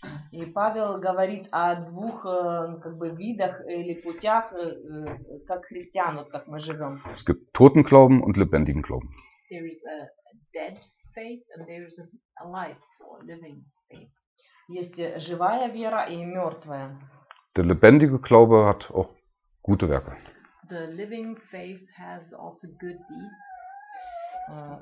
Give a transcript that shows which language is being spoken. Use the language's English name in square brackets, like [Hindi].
[Russian] И Павел говорит о двух как бы видах или путях как христиан, вот как мы живем. [German] Es gibt toten Glauben und lebendigen Glauben. [English] There is a dead faith and there is a life or living faith. [Russian] Есть живая вера и мертвая. [German] Der lebendige Glaube hat auch gute Werke. [English] The living faith has also good deeds.